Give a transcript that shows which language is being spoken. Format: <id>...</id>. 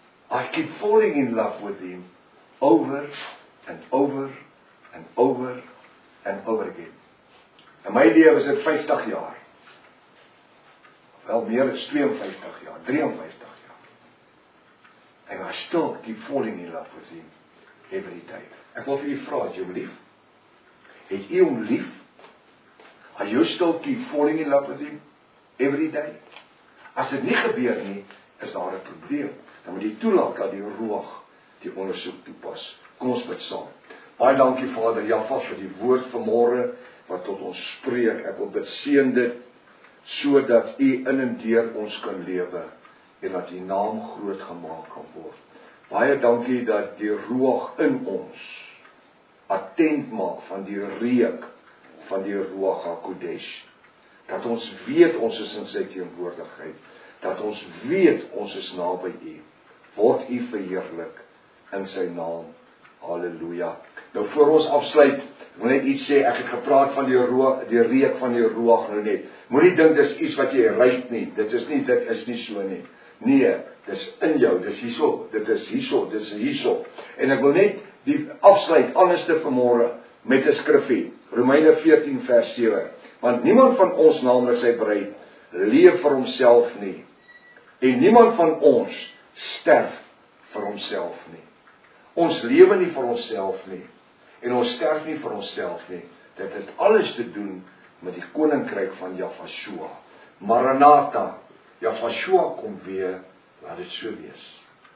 <en>I keep falling in love with him over and over and over and over again.</en> <af>In my lewe is dit 50 jaar. Wel meer is 52 jaar, 53 jaar.</af> <en>En I still keep falling in love with him every day.</en> <af>Ek wil vir u vra asseblief het jy hom lief?</af> <en>Are you still keep falling in love with him? Every day?</en> <af>As dit nie gebeur nie, is daar 'n probleem. Dan moet jy toelaat dat die roeg die ondersoek toepas. Kom ons bid saam. Baie dankie Vader Jaffa vir die woord vanmôre wat tot ons spreek. Ek wil dit seën dit sodat u in en deur ons kan lewe en dat u naam groot gemaak kan word. Baie dankie dat die roeg in ons attent maak van die reuk van die Ruach HaKodesh. Dat ons weet ons is in sy teenwoordigheid. Dat ons weet ons is naby u. Word u verheerlik in sy naam. Halleluja. Nou voor ons afsluit, wil ek iets sê, ek het gepraat van die reuk van die Ruach nou net. Moenie dink dis iets wat jy ruik nie. Dit is nie so nie. Nee, dis in jou. Dis hierso. En ek wil net die afsluit alleste vanmôre met 'n skrifgie Romeine 14 vers 7 want niemand van ons naamlik sy breed leef vir homself nie en niemand van ons sterf vir homself nie ons lewe nie vir onsself nie en ons sterf nie vir onsself nie dit het alles te doen met die koninkryk van Jahashua Maranatha Jahashua kom weer laat dit so wees</af>